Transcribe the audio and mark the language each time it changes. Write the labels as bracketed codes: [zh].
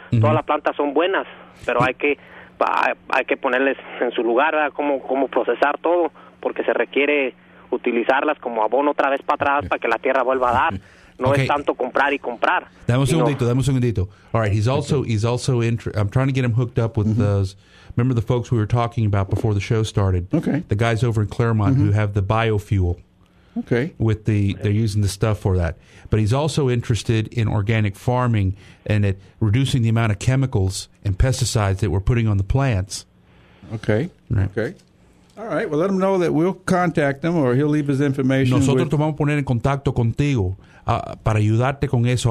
[es] Todas las plantas son buenas, pero hay que ponerles en su lugar, ¿verdad? cómo procesar todo, porque se requiere utilizarlas como abono otra vez para atrás, para que la tierra vuelva a dar. No okay. es tanto comprar y comprar. Dame un segundito. [en] All right, I'm trying to get him hooked up with those. Remember the folks we were talking about before the show started? Okay. The guys over in Claremont who have the biofuel. Okay. With the they're using the stuff for that. But he's also interested in organic farming and at reducing the amount of chemicals and pesticides that we're putting on the plants. Okay. Right. Okay. All right. Well, let him know that we'll contact him or he'll leave his information. [es] Nosotros te vamos a poner en contacto contigo para ayudarte con eso.